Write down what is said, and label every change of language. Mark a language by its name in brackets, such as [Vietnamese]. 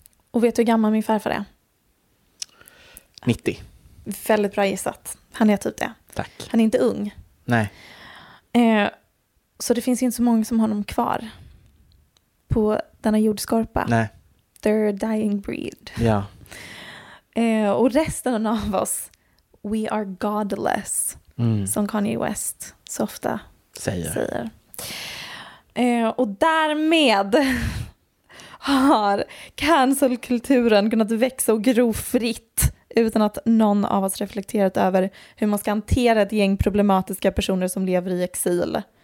[Swedish] Och vet du hur gammal min farfar är? 90. Väldigt bra gissat. Han är typ det. Tack. Han är inte ung, Nej. Så det finns ju inte så många som har honom kvar på denna jordskorpa. Nej. [English] They're a dying breed. [Swedish] Ja. Och resten av oss, [English] we are godless. Mm. [Swedish] Som Kanye West så ofta säger. Och därmed har cancel-kulturen kunnat växa och gro fritt utan att någon av oss reflekterat över hur man ska hantera ett gäng problematiska personer som lever i exil.